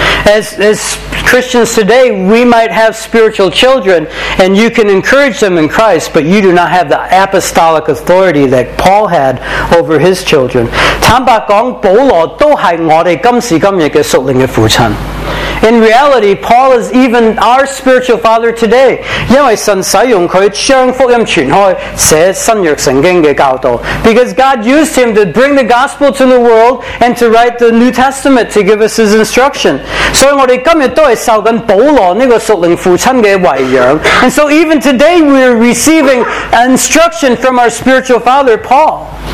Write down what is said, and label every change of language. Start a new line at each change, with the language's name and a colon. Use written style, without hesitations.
English: As Christians today, we might have spiritual children and you can encourage them in Christ, but you do not have the apostolic authority that Paul had over his children.
Chinese: 坦白讲,保罗都是我们今时今日的属灵的父亲。
English: In reality, Paul is even our spiritual father today.
Chinese: 因为神使用他将福音传开，写新约圣经的教导。
English: Because God used him to bring the gospel to the world and to write the New Testament to give us his instruction.
Chinese: 所以我们今天都是受保罗这个属灵父亲的遗养。
English: And so even today we are receiving instruction from our spiritual father, Paul.